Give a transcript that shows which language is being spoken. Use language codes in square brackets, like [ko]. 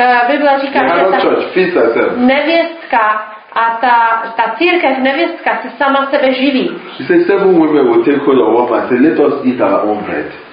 [cs] Bible říká, [en] the harlot church feeds herself. [cs] Nevěstka a ta církev nevěstka se sama sebe živí. [en] She says seven women will take hold of one and say, let us eat our own bread.